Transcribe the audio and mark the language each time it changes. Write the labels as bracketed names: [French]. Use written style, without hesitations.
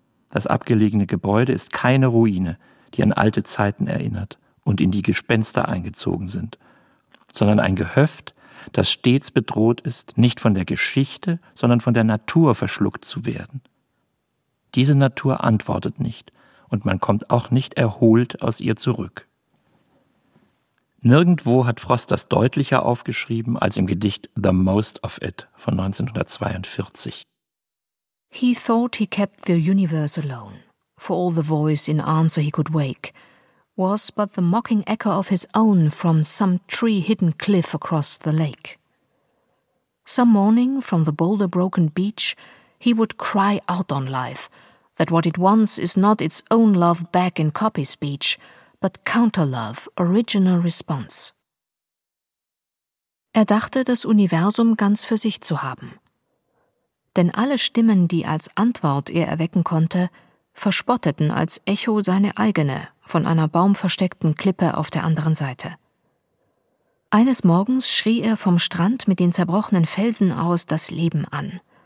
[German] Das abgelegene Gebäude ist keine Ruine, die an alte Zeiten erinnert und in die Gespenster eingezogen sind, sondern ein Gehöft, das stets bedroht ist, nicht von der Geschichte, sondern von der Natur verschluckt zu werden. Diese Natur antwortet nicht und man kommt auch nicht erholt aus ihr zurück. Nirgendwo hat Frost das deutlicher aufgeschrieben als im Gedicht The Most of It von 1942. [English] He thought he kept the universe alone, for all the voice in answer he could wake, was but the mocking echo of his own from some tree-hidden cliff across the lake. Some morning from the boulder-broken beach he would cry out on life, that what it wants is not its own love back in copy speech, but counter-love, original response. [German] Er dachte, das Universum ganz für sich zu haben. Denn alle Stimmen, die als Antwort er erwecken konnte, verspotteten als Echo seine eigene von einer baumversteckten Klippe auf der anderen Seite. Eines Morgens schrie er vom Strand mit den zerbrochenen Felsen aus das Leben an.